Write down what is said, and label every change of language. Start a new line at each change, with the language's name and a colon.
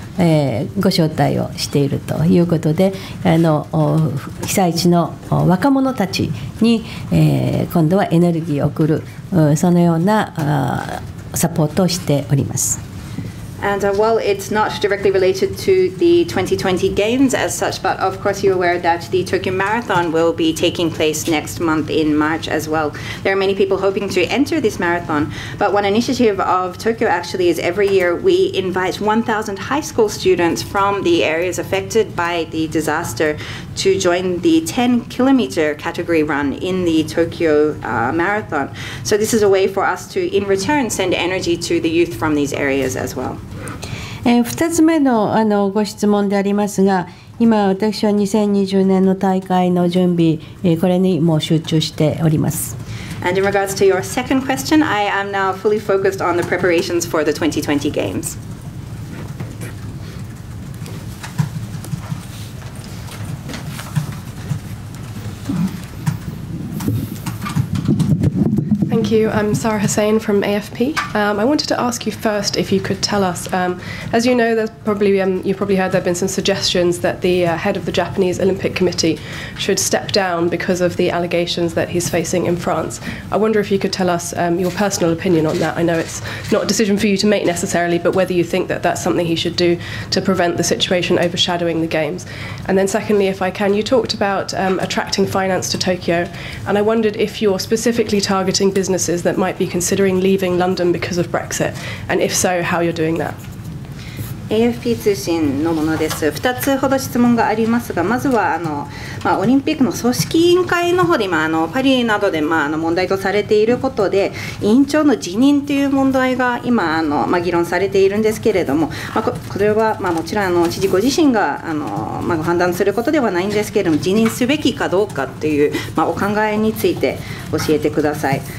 Japanese: ご招待をしているということで、被災地の若者たちに今度はエネルギーを送る、そのようなサポートをしております。
English: And while it's not directly related to the 2020 Games as such, but of course you're aware that the Tokyo Marathon will be taking place next month in March as well. There are many people hoping to enter this marathon, but one initiative of Tokyo actually is every year we invite 1,000 high school students from the areas affected by the disaster to join the 10-kilometer category run in the Tokyo Marathon. So this is a way for us to, in return, send energy to the youth from these areas as well.
Japanese: 2つ目 の, あのご質問でありますが、今私は2020年の大会の準備、これにもう集中しております。
English: And in regards to your second question, I am now fully focused on the preparations for the 2020 Games. Thank you. I'm Sarah Hussein from AFP. I wanted to ask you first if you could tell us, as you know, you've probably heard there have been some suggestions that the head of the Japanese Olympic Committee should step down because of the allegations that he's facing in France. I wonder if you could tell us your personal opinion on that. I know it's not a decision for you to make necessarily, but whether you think that that's something he should do to prevent the situation overshadowing the Games. And then secondly, if I can, you talked about attracting finance to Tokyo, and I wondered if you're specifically targeting businesses that might be considering leaving London because of Brexit, and if so, how you're doing that.
Japanese: AFP 通信のものです。 2つほど質問がありますが、まずはオリンピックの組織委員会の方で今パリなどで問題とされていることで、委員長の辞任という問題が今議論されているんですけれども、これは、もちろん知事ご自身が判断することではないんですけれども、辞任すべきかどうかという、お考えについて教えてください。